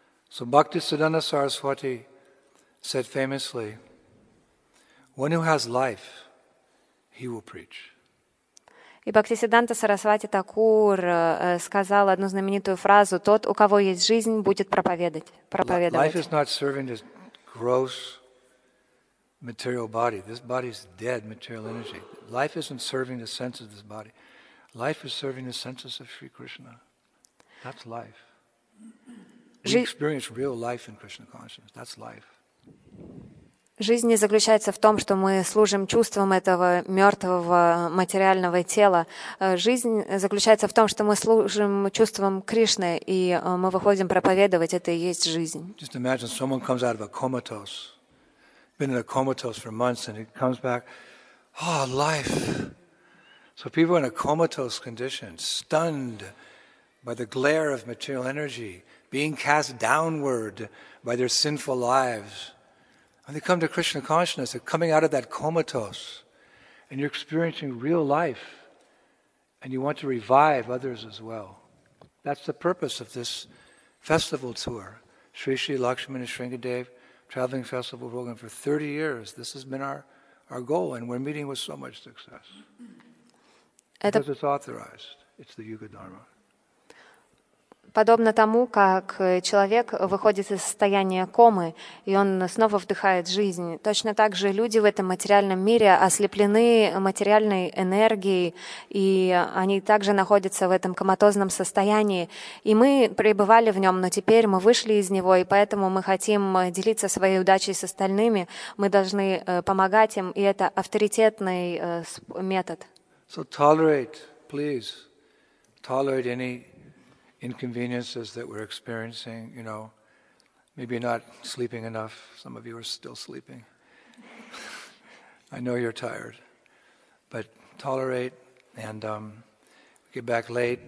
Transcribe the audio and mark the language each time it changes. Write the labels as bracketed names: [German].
[English] So Bhaktisiddhanta Saraswati said famously, "One who has life, he will preach." [Russian] И Бхактисиддханта Сарасвати Такур сказал одну знаменитую фразу: "Тот, у кого есть жизнь, будет проповедовать." [English] Life is not serving this gross material body. This body is dead material energy. Life isn't serving the senses of this body. Life is serving the senses of Sri Krishna. That's life. We experience real life in Krishna consciousness. That's life. [Russian] Жизнь не заключается в том, что мы служим чувствам этого мертвого материального тела. Жизнь заключается в том, что мы служим чувствам Кришны, и мы выходим проповедовать, это и есть жизнь. [English] Just imagine someone comes out of a comatose, been in a comatose for months, and he comes back, oh, life. So people in a comatose condition, stunned by the glare of material energy, being cast downward by their sinful lives. When they come to Krishna consciousness, they're coming out of that comatose, and you're experiencing real life, and you want to revive others as well. That's the purpose of this festival tour, Sri Sri Lakshmana Sringadev Traveling Festival Program. For 30 years, this has been our goal, and we're meeting with so much success. Because it's authorized. It's the Yuga Dharma. [Russian] Подобно тому, как человек выходит из состояния комы, и он снова вдыхает жизнь. Точно так же люди в этом материальном мире ослеплены материальной энергией, и они также находятся в этом коматозном состоянии. И мы пребывали в нем, но теперь мы вышли из него, и поэтому мы хотим делиться своей удачей с остальными. Мы должны помогать им, и это авторитетный метод. [English] So tolerate, please, tolerate any inconveniences that we're experiencing, you know, maybe not sleeping enough. Some of you are still sleeping. I know you're tired, but tolerate and get back late.